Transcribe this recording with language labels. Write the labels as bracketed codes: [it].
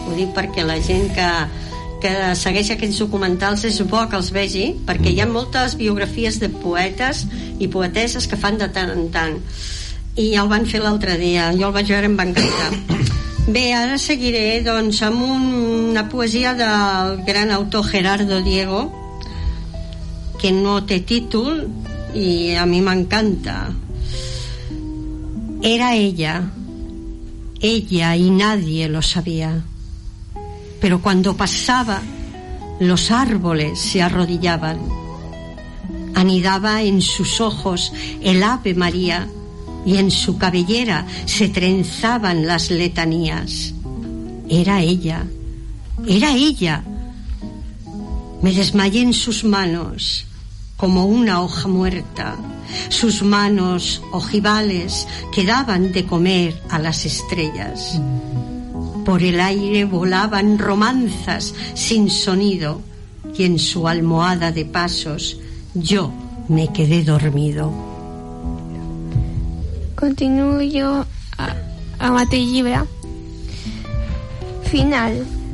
[ca] Ho dic perquè la gent que segueix aquests documentals és bo que els vegi, perquè hi ha moltes biografies de poetes i poetesses que fan de tant en tant. I ja el van fer l'altre dia. Jo el vaig veure, em va encantar. Bé, ara seguiré doncs amb una poesia del gran autor Gerardo Diego, que no té títol i a mi m'encanta. [es] Era ella, ella y nadie lo sabía, pero cuando pasaba los árboles se arrodillaban, anidaba en sus ojos el ave María y en su cabellera se trenzaban las letanías. Era ella, era ella. Me desmayé en sus manos como una hoja muerta. Sus manos ojivales que daban de comer a las estrellas. Por el aire volaban romanzas sin sonido y en su almohada de pasos yo me quedé dormido. [ca] Continuo jo a mateix llibre. Final.